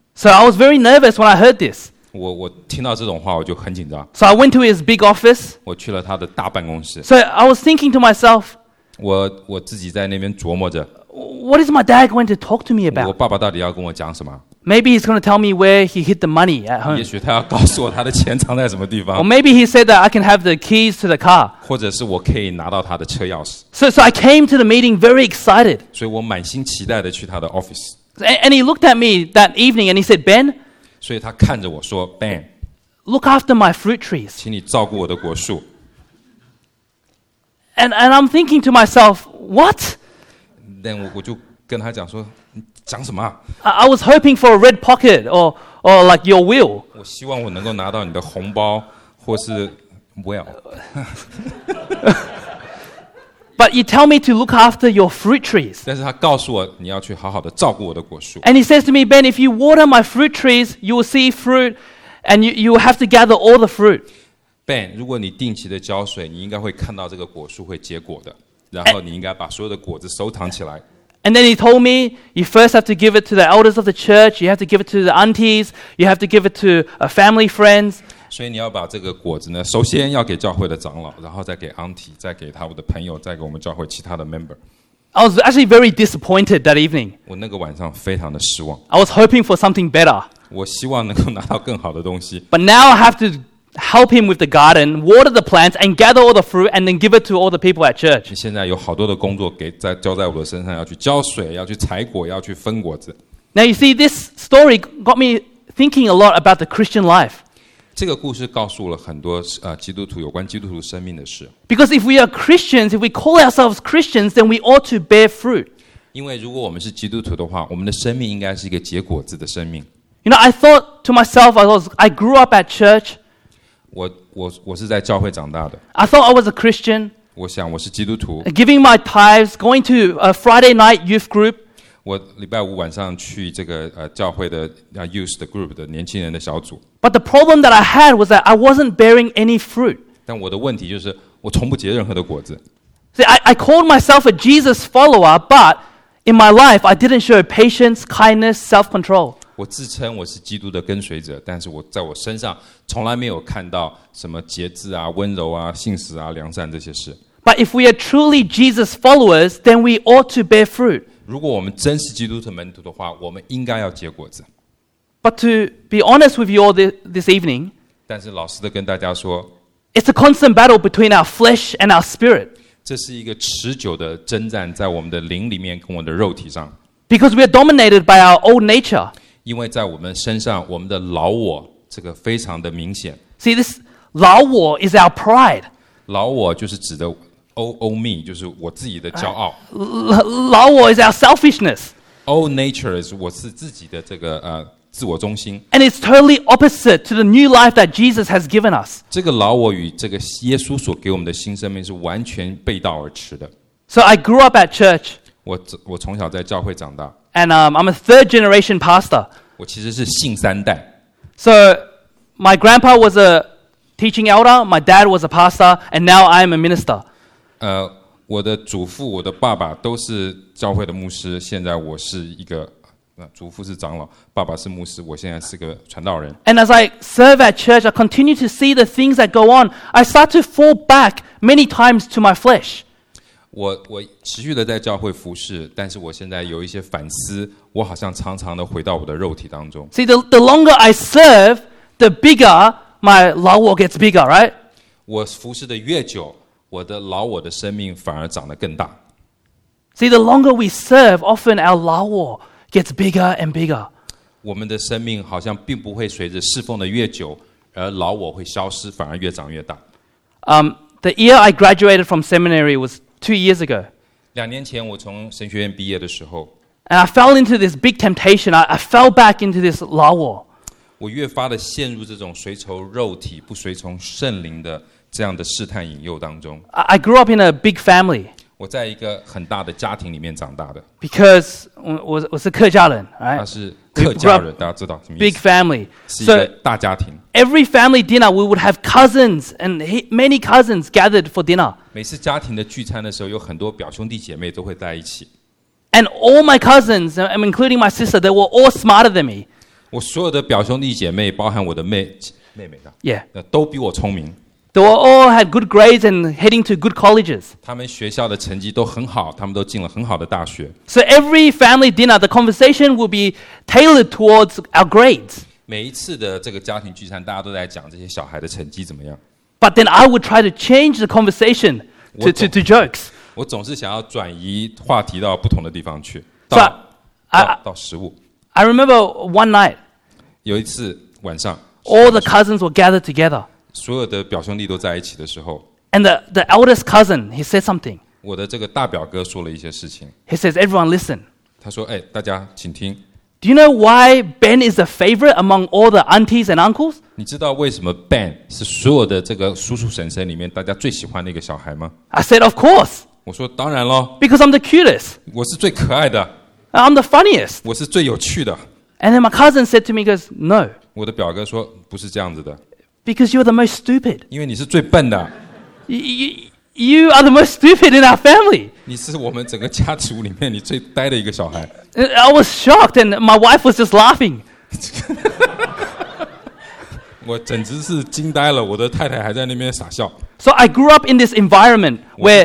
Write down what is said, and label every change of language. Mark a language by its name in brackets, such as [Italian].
[English] So I was very nervous when I heard this. [Chinese] 我听到这种话我就很紧张。 [English] So I went to his big office. [Chinese] 我去了他的大办公室。 [English] So I was thinking to myself. [Chinese] 我自己在那边琢磨着。 [English] What is my dad going to talk to me about? [Chinese] 我爸爸到底要跟我讲什么？ [English] Maybe he's going to tell me where he hid the money at home. [Chinese] 也许他要告诉我他的钱藏在什么地方。 [English] Or maybe he said that I can have the keys to the car. [Chinese] 或者是我可以拿到他的车钥匙。 [English] So I came to the meeting very excited. [Chinese] 所以我满心期待的去他的 office. [English] And he looked at me that evening and he said, Ben. [Chinese] 所以他看着我说 ，Ben， [English] look after my fruit trees， [Chinese] 请你照顾我的果树。 [English] And I'm thinking to myself, what？ Then [Chinese] 我就跟他讲说，你讲什么 [English] ？I was hoping for a red pocket or like your will。 [Chinese] 我希望我能够拿到你的红包或是 will。 [English] But you tell me to look after your fruit trees. [Chinese] 但是他告诉我你要去好好的照顾我的果树。 [English] And he says to me, Ben, if you water my fruit trees, you will see fruit, and you will have to gather all the fruit. [Chinese] Ben, 如果你定期的浇水，你应该会看到这个果树会结果的。然后你应该把所有的果子收藏起来。 [English] And then he told me, you first have to give it to the elders of the church. You have to give it to the aunties. You have to give it to family friends. [Chinese] 所以你要把这个果子呢，首先要给教会的长老，然后再给 auntie， 再给他的朋友，再给我们教会其他的 member。 [English] I was actually very disappointed that evening. [Chinese] 我那个晚上非常的失望。 [English] I was hoping for something better. [Chinese] 我希望能够拿到更好的东西。 [English] But now I have to help him with the garden, water the plants, and gather all the fruit, and then give it to all the people at church. [Chinese] 现在有好多的工作交在我的身上，要去浇水，要去采果，要去分果子。 [English] Now you see, this story got me thinking a lot about the Christian life. [Chinese] 这个故事告诉了很多基督徒有关基督徒生命的事。 [English] Because if we are Christians, if we call ourselves Christians, then we ought to bear fruit. [Chinese] 因为如果我们是基督徒的话，我们的生命应该是一个结果子的生命。 [English] You know, I thought to myself, I grew up at church. [Chinese] 我是在教会长大的。 [English] I thought I was a Christian. [Chinese] 我想我是基督徒。 [English] Giving my tithes, going to a Friday night youth group. [Chinese] 我礼拜五晚上去这个教会的youth 的 group 的年轻人的小组。 [English] But the problem that I had was that I wasn't bearing any fruit. [Chinese] 但我的问题就是我从不结任何的果子。 [English] See, I called myself a Jesus follower, but in my life I didn't show patience, kindness, self-control. [Chinese] 我自称我是基督的跟随者，但是我在我身上从来没有看到什么节制啊、温柔啊、信实啊、良善这些事。 [English] But if we are truly Jesus followers, then we ought to bear fruit. [Chinese] 如果我们真是基督徒门徒的话，我们应该要结果子。 [English] But to be honest with you all this evening, [Chinese] 但是老实的跟大家说 [English] ，It's a constant battle between our flesh and our spirit. [Chinese] 这是一个持久的征战，在我们的灵里面跟我们的肉体上。 [English] Because we are dominated by our old nature. [Chinese] 因为在我们身上，我们的老我这个非常的明显。 [English] See, this 老我 is our pride. [Chinese] 老我就是指的。 [English] Old me [Chinese] 就是我自己的骄傲。 [English] 老我 is our selfishness. Old nature is [Chinese] 我是自己的这个自我中心。 [English] And it's totally opposite to the new life that Jesus has given us. [Chinese] 这个老我与这个耶稣所给我们的新生命是完全背道而驰的。 [English] So I grew up at church. [Chinese] 我从小在教会长大。 [English] And I'm a third generation pastor. [Chinese] 我其实是信三代。 [English] So my grandpa was a teaching elder, my dad was a pastor, and now I am a minister. [Chinese] 我的祖父我的爸爸都是教会的牧师，现在我是一个祖父是长老，爸爸是牧师，我现在是个传道人。 [English] And as I serve at church, I continue to see the things that go on. I start to fall back many times to my flesh. [Chinese] 我持续的在教会服侍，但是我现在有一些反思，我好像常常的回到我的肉体当中。 [English] See, the longer I serve, the bigger my 老我 gets bigger, right? [Chinese] 我服侍的越久，我的老我的生命反而长得更大。 [English] See, the longer we serve, often our 老我 gets bigger and bigger. [Chinese] 我们的生命好像并不会随着侍奉的越久，而老我会消失，反而越长越大。 [English] The year I graduated from seminary was 2 years ago. [Chinese] 两年前我从神学院毕业的时候。 [English] And I fell into this big temptation. I fell back into this 老我。 [Chinese] 我越发的陷入这种随从肉体，不随从圣灵的这样的试探引诱当中。 I grew up in a big family. 我在一个很大的家庭里面长大的。 [English] Because [Chinese] 我是客家人、 [English] right? [Chinese] 他是客家人，大家知道什么意思？ [English] Big family. [Chinese] 是一个大家庭。 [English] So, every family dinner, we would have cousins and many cousins gathered for dinner. [Chinese] 每次家庭的聚餐的时候，有很多表兄弟姐妹都会在一起。 [English] And all my cousins, including my sister, they were all smarter than me. [Chinese] 我所有的表兄弟姐妹，包含我的妹妹的， yeah. 都比我聪明。 [English] They all had good grades and heading to good colleges. [Chinese] 他们学校的成绩都很好，他们都进了很好的大学。 [English] So every family dinner, the conversation will be tailored towards our grades. [Chinese] 每一次的这个家庭聚餐，大家都在讲这些小孩的成绩怎么样。 [English] But then I would try to change the conversation to jokes. [Chinese] 我总是想要转移话题到不同的地方去，到食物。 [English] I remember one night. [Chinese] 有一次晚上 [English] ，all the cousins were gathered together. [Chinese] 所有的表兄弟都在一起的时候 [English] ，and the eldest cousin he said something. [Chinese] 我的这个大表哥说了一些事情。 [English] He says, "Everyone listen." [Chinese] 他说，哎，大家请听。 [English] Do you know why Ben is a favorite among all the aunties and uncles? [Chinese] 你知道为什么 Ben 是所有的这个叔叔婶婶里面大家最喜欢的一个小孩吗 [English] ？I said, "Of course." [Chinese] 我说当然喽。 [English] Because I'm the cutest. [Chinese] 我是最可爱的。 [English] I'm the funniest. [Chinese] 我是最有趣的。 [English] And then my cousin said to me, "Goes no." [Chinese] 我的表哥说不是这样子的。 [English] Because you are the most stupid. [Chinese] 因为你是最笨的。 [English] You are the most stupid in our family. [Chinese] 你是我们整个家族里面你最呆的一个小孩。 [English] I was shocked, and my wife was just laughing. [Chinese] 我简直是惊呆了，我的太太还在那边傻笑。 [English] So I grew up in this environment where